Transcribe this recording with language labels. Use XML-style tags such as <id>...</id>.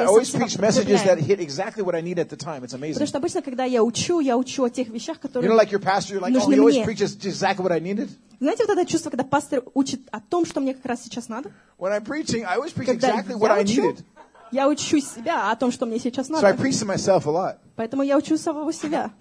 <en>I always preach messages that hit exactly what I need at the time. It's amazing.</en> <ru>Потому что обычно, когда я учу о тех вещах, которые.</ru> <en>You know, like your pastor, you're like, oh, he always preaches exactly what I needed.</en> <ru>Знаете, вот это чувство, когда пастор учит о том, что мне как раз сейчас надо?</ru> <en>When I'm preaching, I always preach exactly what I needed.</en> <ru>Я учу себя о том, что мне сейчас надо.</ru> <en>So I preach to myself a lot.</en> <ru>Поэтому я учу самого себя.</ru>